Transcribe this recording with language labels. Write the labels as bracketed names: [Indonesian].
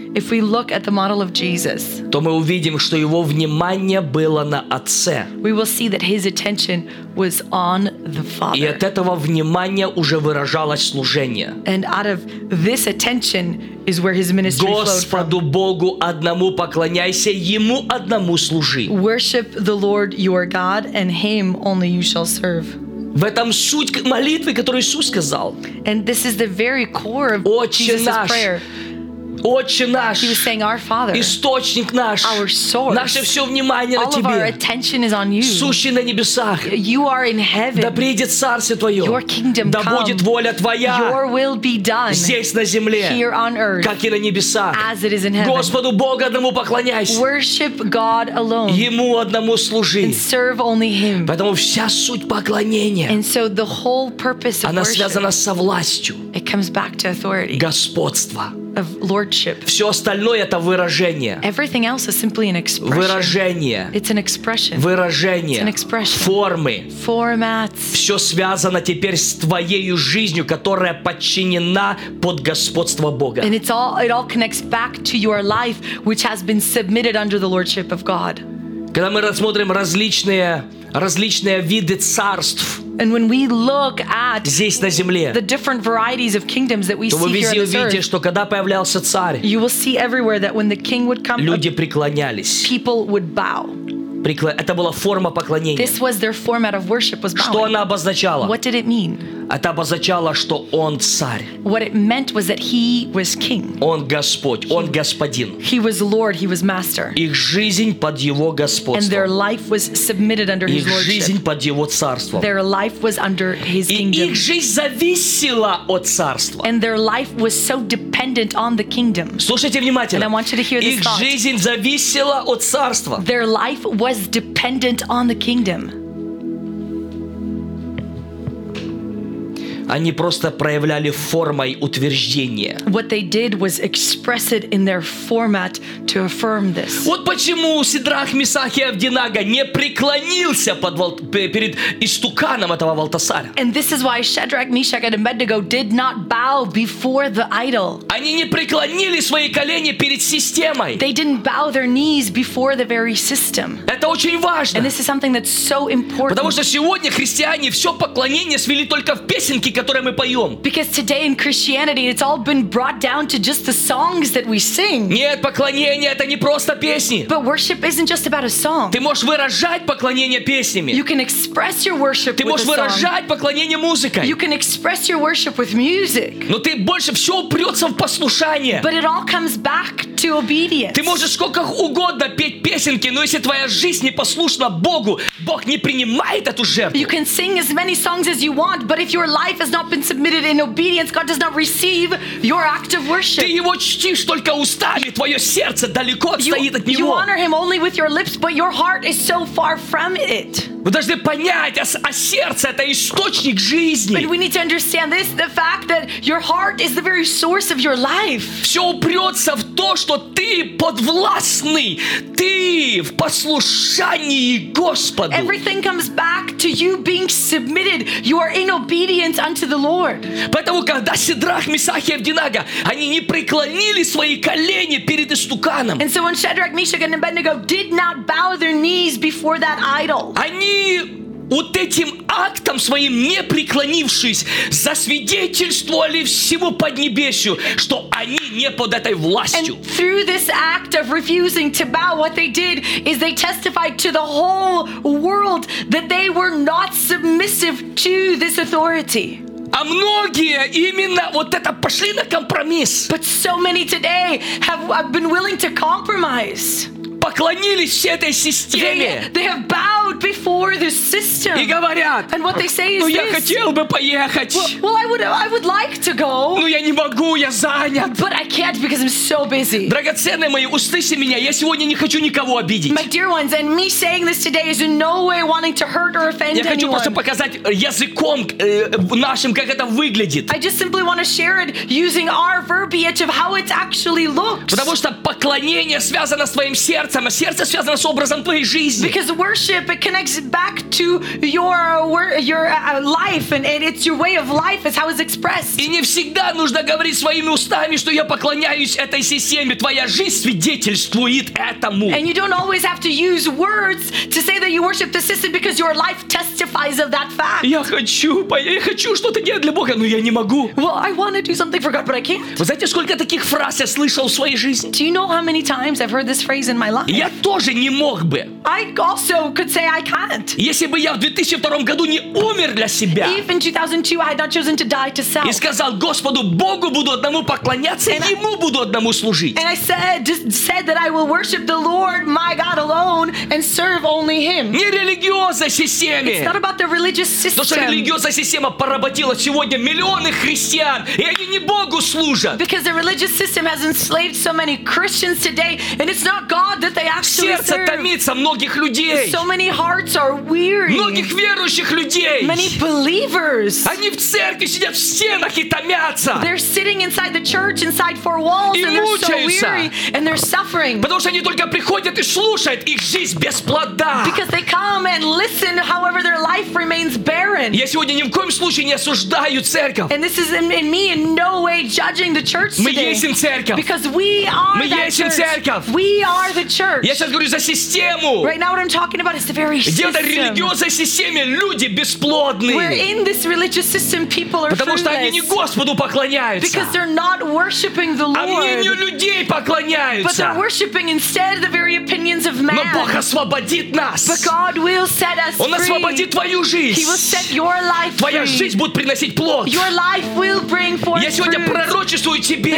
[English] if we look at the model of Jesus, [Russian] то мы увидим, что его внимание было на Отце. [English] We will see that his attention was on the Father. [Russian] И от этого внимания уже выражалось служение. [English] And out of this attention is where his ministry [Russian] Господу Господу Богу одному поклоняйся, ему одному служи. [English] Worship the Lord your God, and him only you shall serve. [Russian] В этом суть молитвы, которую Иисус сказал. [English] And this is the very core of [Russian] Отче [English] Jesus' [Russian] наш, [English] prayer. [Russian] Отче наш. [English] He was saying, our Father. [Russian] Источник наш. [English] Our source. [Russian] Наше все внимание [English] all [Russian] на тебе. [English] All of our attention is on you. [Russian] Сущий на небесах. [English] You are in heaven. [Russian] Да придет царствие твое. [English] Your kingdom [Russian] да [English] come. [Russian] Да будет воля твоя. [English] Your will be done. [Russian] Здесь на земле. [English] Here on earth. [Russian] Как и на небесах. [English] As it is in heaven. [Russian] Господу Богу одному поклоняйся. [English] Worship God alone. [Russian] Ему одному служи. [English] And serve only him. [Russian] Поэтому вся суть поклонения. [English] And so the whole purpose of [Russian] она связана со властью. [English] It comes back to authority. [Russian] Господство. [English] Of lordship. [Russian] Все остальное это выражение. [English] Everything else is simply an expression. [Russian] Выражение. [English] It's an expression. [Russian] Выражение. [English] It's an expression. [Russian] Формы. [English] Formats. [Russian] Все связано теперь с твоей жизнью, которая подчинена под господство Бога. [English] And it all connects back to your life, which has been submitted under the lordship of God. [Russian] Когда мы рассмотрим различные виды царств. [English] And when we look at [Russian] здесь, на земле, [English] the different varieties of kingdoms that we see here on this [Russian] увидите, [English] earth, [Russian] что, когда появлялся царь, [English] you will see everywhere that when the king would come, [Russian] люди преклонялись. [English] People would bow. [Russian] Это была форма поклонения. [English] This was their format of worship, was bowing. [Russian] Что она обозначала? [English] What did it mean? [Russian] Это обозначало, что он царь. [English] What it meant was that he was king. [Russian] Он Господь, он Господин. [English] He was Lord, he was master. [Russian] Их жизнь под его господством. [English] And their life was submitted under [Russian] их [English] his lordship. [Russian] Их жизнь под его царством. [English] Their life was under his [Russian] и [English] kingdom. [Russian] И их жизнь зависела от царства. [English] And their life was so dependent on the kingdom. [Russian] Слушайте внимательно. [English] And I want you to hear [Russian] их [English] this thought. [Russian] Их жизнь зависела от царства. [English] Their life was dependent on the kingdom. [Russian] Они просто проявляли формой утверждения. [English] What they did was express it in their format to affirm this. [Russian] Вот почему Сидрах, Месах и Авденаго не преклонился перед истуканом этого Валтасара. [English] And this is why Shadrach, Meshach, and Abednego did not bow before the idol. [Russian] Они не преклонили свои колени перед системой. [English] They didn't bow their knees before the very system. [Russian] Это очень важно. [English] And this is something that's so important. [Russian] Потому что сегодня христиане все поклонение свели только в песенки, которые мы поем. [English] Because today in Christianity it's all been brought down to just the songs that we sing. [Russian] Нет, поклонение это не просто песни. [English] But worship isn't just about a song. [Russian] Ты можешь выражать поклонение песнями. [English] You can express your worship with a song. [Russian] Ты можешь выражать поклонение музыкой. [English] You can express your worship with music. [Russian] Но ты больше все упрется в послушание. [English] But it all comes back to obedience. [Russian] Ты можешь сколько угодно петь песенки, но если твоя жизнь не послушна Богу, Бог не принимает эту жертву. [English] You can sing as many songs as you want, but if your life has not been submitted in obedience, God does not receive your act of worship. [Russian] Ты его чтишь только устами, твое сердце далеко отстоит от него. [English] You honor him only with your lips, but your heart is so far from it. [Russian] Вы должны понять, а сердце это источник жизни. [English] But we need to understand this, the fact that your heart is the very source of your life. [Russian] Все упрется в то, что ты подвластный, ты в послушании Господу. [English] Everything comes back to you being submitted. You are in obedience unto the Lord. [Russian] Поэтому, когда Сидрах, Месах и Авденаго, они не преклонили свои колени перед истуканом. [English] And so when Shadrach, Meshach, and Abednego did not bow their knees before that idol. [Russian] Они вот этим актом своим, не преклонившись, засвидетельствовали всему Поднебесью, что они не под этой властью. [English] And through this act of refusing to bow, what they did is they testified to the whole world that they were not submissive to this authority. [Russian] А многие именно вот это пошли на компромисс. [English] But so many today have been willing to compromise. [Russian] Поклонились всей этой системе. [English] They have bowed before the system. [Russian] И говорят, [English] and what they say is, [Russian] ну, я хотел бы поехать. [English] Well, I would like to go. [Russian] Ну, я не могу, я занят. [English] But I can't because I'm so busy. [Russian] Драгоценные мои, услышьте меня, я сегодня не хочу никого обидеть. [English] My dear ones, and me saying this today is in no way wanting to hurt or offend anyone. [Russian] Я хочу просто показать языком нашим, как это выглядит. [English] I just simply want to share it using our verbiage of how it actually looks. [Russian] Потому что поклонение связано с твоим сердцем. А сердце связано с образом твоей жизни. [English] Because worship, it connects back to your life, and it's your way of life is how it's expressed. [Russian] И не всегда нужно говорить своими устами, что я поклоняюсь этой системе. Твоя жизнь свидетельствует этому. [English] And you don't always have to use words to say that you worship the system because your life testifies of that fact. [Russian] Я хочу что-то делать для Бога, но я не могу. [English] Well, I want to do something for God, but I can't. [Russian] Вы знаете, сколько таких фраз я слышал в своей жизни? [English] Do you know how many times I've heard this phrase in my life. [Russian] Я тоже не мог бы. [English] I also could say I can't. [Russian] Если бы я в 2002 году не умер для себя. [English] If in 2002 I had not chosen to die to self. [Russian] И сказал Господу Богу буду одному поклоняться, and ему буду одному служить. [English] And I said that I will worship the Lord my God alone and serve only Him. [Russian] Не религиозная система. [English] It's not about the religious system. [Russian] То, что религиозная система поработила сегодня миллионы христиан, и они не Богу служат. [English] Because the religious system has enslaved so many Christians today, and it's not God. That they actually [Russian] сердце [English] serve. [Russian] Томится многих людей. [English] So many hearts are weary. [Russian] Многих верующих людей. [English] Many believers. [Russian] Они в церкви сидят в стенах и томятся. [English] They're sitting inside the church, inside four walls, [Russian] и [English] and [Russian] мучаются. [English] They're so weary and they're suffering. [Russian] Потому что они только приходят и слушают, их жизнь без плода. [English] Because they come and listen, however their life remains barren. [Russian] Я сегодня ни в коем случае не осуждаю церковь. [English] And this is in me in no way judging the church today. [Russian] Мы есть церковь. [English] Because we are [Russian] Мы [English] that church. [Russian] Церковь. [English] We are the church. [Russian] Я сейчас говорю за систему. [English] Right now what I'm talking about is the very system. [Russian] Где-то в религиозной системе люди бесплодные. [English] We're in this religious system, people are [Russian] Потому что они не Господу поклоняются. [English] Because they're not worshiping the Lord. [Russian] А мнению людей поклоняются. [English] But they're worshiping instead the very opinions of man. [Russian] Но Бог освободит нас. [English] But God will set us free. [Russian] Он освободит твою жизнь. [English] He will set your life [Russian] Твоя [English] free. [Russian] Жизнь будет приносить плод. [English] Your life will bring forth fruit. [Russian] Я сегодня пророчествую тебе.